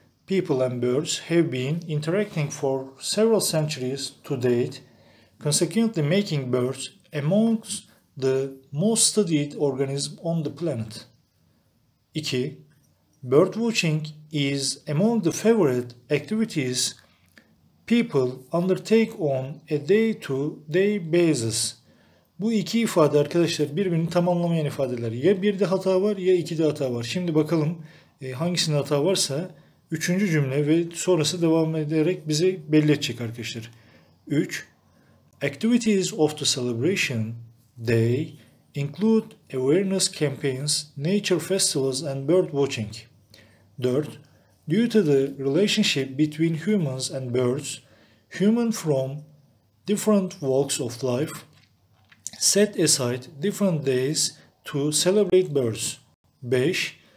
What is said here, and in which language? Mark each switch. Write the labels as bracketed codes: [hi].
[en] People and birds have been interacting for several centuries to date, consequently making birds amongst the most studied organism on the planet. 2. Bird watching is among the favorite activities people undertake on a day-to-day basis. [tr] Bu iki ifade arkadaşlar birbirini tamamlamayan ifadeler. Ya bir de hata var ya iki de hata var. Şimdi bakalım hangisinde hata varsa üçüncü cümle ve sonrası devam ederek bize belli edecek arkadaşlar. 3. [en] Activities of the celebration day include awareness campaigns, nature festivals and bird watching. 4. Due to the relationship between humans and birds, humans from different walks of life set aside different days to celebrate birds. 5.